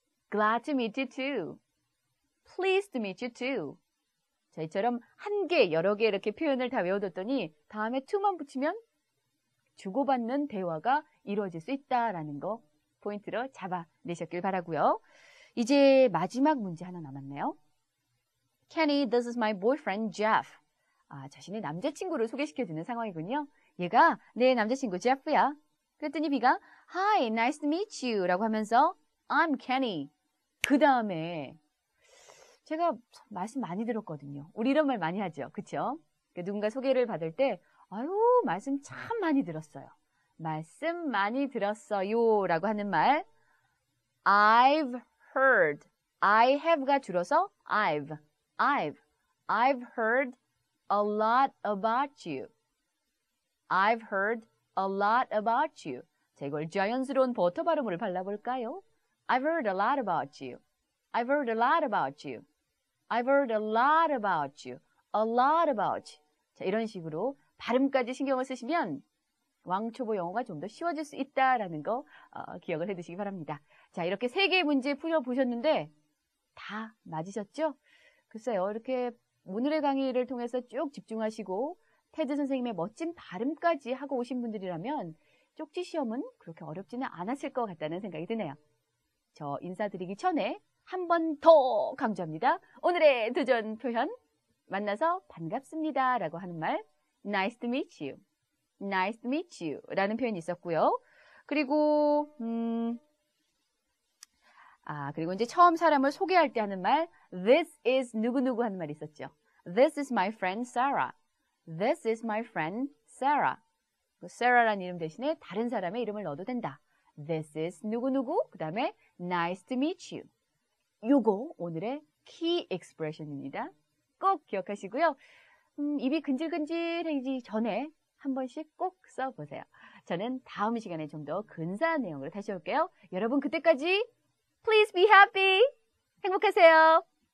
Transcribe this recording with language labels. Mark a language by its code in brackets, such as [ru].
[en] Glad to meet you too. Please to meet you too. [ko] 저희처럼 한 개, 여러 개 이렇게 표현을 다 외워뒀더니 다음에 to만 붙이면 주고받는 대화가 이루어질 수 있다라는 거 포인트로 잡아내셨길 바라고요. 이제 마지막 문제 하나 남았네요. [en] Kenny, this is my boyfriend Jeff. [ko] 아, 자신의 남자친구를 소개시켜주는 상황이군요. 얘가 내 남자친구 제프야. 그랬더니 [en] B가 Hi, nice to meet you라고 하면서 I'm Kenny. [ko] 그 다음에 제가 말씀 많이 들었거든요. 우리 이런 말 많이 하죠, 그렇죠? 그러니까 누군가 소개를 받을 때 아유 말씀 참 많이 들었어요. 말씀 많이 들었어요라고 하는 말 [en] I've heard. I have가 [ko] 줄어서 [en] I've heard a lot about you. I've heard a lot about you. [ko] 자, 이걸 자연스러운 버터 발음으로 발라볼까요? [en] I've heard a lot about you. I've heard a lot about you. I've heard a lot about you. A lot about you. [ko] 자, 이런 식으로 발음까지 신경을 쓰시면 왕초보 영어가 좀더 쉬워질 수 있다라는 거 기억을 해두시기 바랍니다. 자, 이렇게 세 개의 문제 풀어보셨는데 다 맞으셨죠? 글쎄요, 이렇게 오늘의 강의를 통해서 쭉 집중하시고 테드 선생님의 멋진 발음까지 하고 오신 분들이라면 쪽지 시험은 그렇게 어렵지는 않았을 것 같다는 생각이 드네요. 저 인사드리기 전에 한번더 강조합니다. 오늘의 도전 표현, 만나서 반갑습니다라고 하는 말, [en] Nice to meet you. Nice to meet you라는 [ko] 표현이 있었고요. 그리고, 그리고 이제 처음 사람을 소개할 때 하는 말, [en] This is [ko] 누구누구 하는 말이 있었죠. [en] This is my friend Sarah. This is my friend Sarah. [ko] Sarah라는 이름 대신에 다른 사람의 이름을 넣어도 된다. [en] This is 누구누구. [ko] 그 다음에 [en] Nice to meet you. [ko] 요거 오늘의 [en] key expression [ko] 입니다. 꼭 기억하시고요. 입이 근질근질해지기 전에 한 번씩 꼭 써보세요. 저는 다음 시간에 좀더 근사한 내용으로 다시 올게요. 여러분 그때까지 [en] please be happy. [ko] 행복하세요.